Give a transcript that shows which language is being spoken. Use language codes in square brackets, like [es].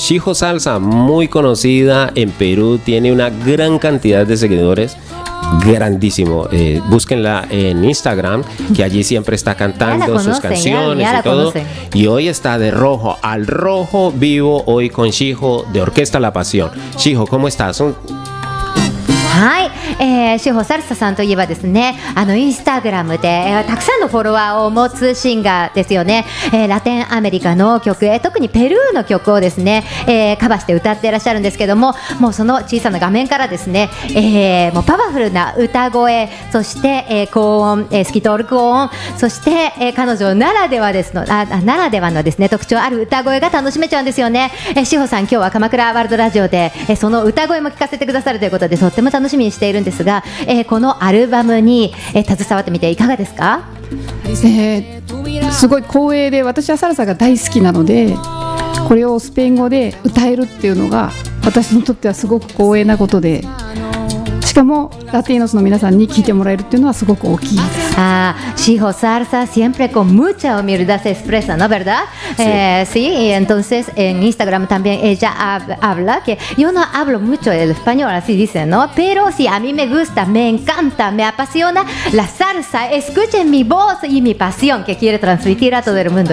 [es] Shijo Salsa, muy conocida en Perú, tiene una gran cantidad de seguidores, grandísimo. Búsquenla en Instagram, que allí siempre está cantando sus canciones y todo. Y hoy está de rojo, Al Rojo Vivo, hoy con Shijo de Orquesta La Pasión. Shijo, ¿cómo estás? [ja] はい、シホサルサさんといえばですね、あのインスタグラムで、たくさんのフォロワーを持つシンガーですよね、ラテンアメリカの曲、特にペルーの曲をですね、カバーして歌っていらっしゃるんですけども、もうその小さな画面からですね、もうパワフルな歌声、そして、高音、透き通る高音、そして、彼女ならではですの、ならではのですね、特徴ある歌声が楽しめちゃうんですよね、シホさん今日は鎌倉ワールドラジオで、その歌声も聞かせてくださるということで、とっても楽しみにしているんですが、このアルバムに、携わってみていかがですか？すごい光栄で、私はサルサが大好きなので、これをスペイン語で歌えるっていうのが私にとってはすごく光栄なことで、しかもラティーノスの皆さんに聞いてもらえるっていうのはすごく大きいです。 [es] あ、シホサルサ siempre con mucha humildad expresa, ¿no verdad? Sí. Sí, entonces en Instagram también ella habla que yo no hablo mucho el español, así dice, ¿no? Pero sí, a mí me gusta, me encanta, me apasiona la salsa. Escuchen mi voz y mi pasión que quiere transmitir a todo el mundo.